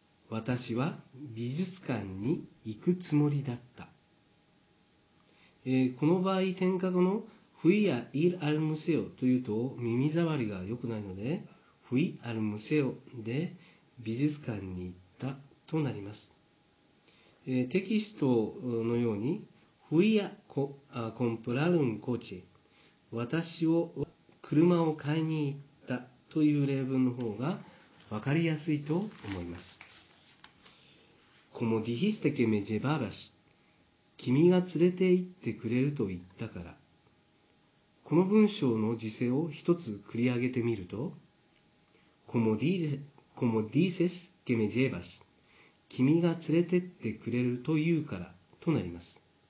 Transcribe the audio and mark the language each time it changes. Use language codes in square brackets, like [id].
[ja] 私は美術館に行くつもりだった。この場合、点火後の [es] Fui a ir al museo [ja] というと耳障りが良くないので [es] Fui al museo [ja] で美術館に行ったとなります。テキストのように [es] Fui a comprar un coche. [ja] 私を車を買いに行ったという例文の方が分かりやすいと思います。 [es] Como dijiste que me llevabas, [ja] 君が連れて行ってくれると言ったから。この文章の時制を一つ繰り上げてみると、 [es] Como dices que me llevas, [ja] 君が連れてってくれると言うからとなります。